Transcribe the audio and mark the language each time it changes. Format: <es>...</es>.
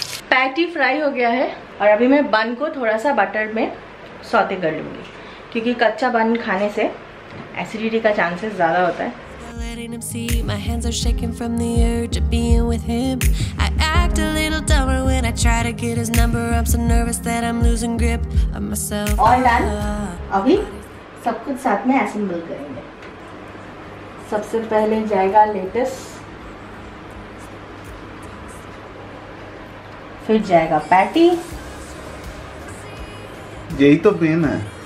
<hi>Patty fry हो गया है और अभी मैं बन को थोड़ा सा बटर में सौते कर लूंगी, क्योंकि कच्चा बन खाने से एसिडिटी का चांसेस ज्यादा होता है।</hi> <en>Act a little dumber when I try to get his number. I'm so nervous that I'm losing grip of myself. All done.</en> <hi>अभी सब कुछ साथ में असेंबल करेंगे। सबसे पहले जाएगा लेटस, फिर जाएगा पैटी। यही तो पेन है।</hi>